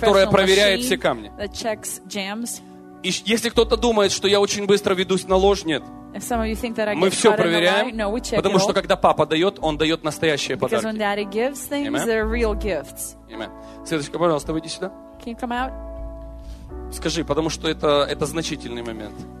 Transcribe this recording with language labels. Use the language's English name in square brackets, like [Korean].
[Russian] которая проверяет все камни. [English] That checks jams. [Russian] И если кто-то думает, что я очень быстро ведусь на ложь, нет. Мы все проверяем, [English] no, [Russian] потому что когда папа дает, он дает настоящие [English] because [Russian] подарки. [English] Because when daddy gives things, they're real gifts. Amen. [Russian] Светочка, пожалуйста, выйди сюда. [English] Can you come out? [Russian] Скажи, потому что это значительный момент.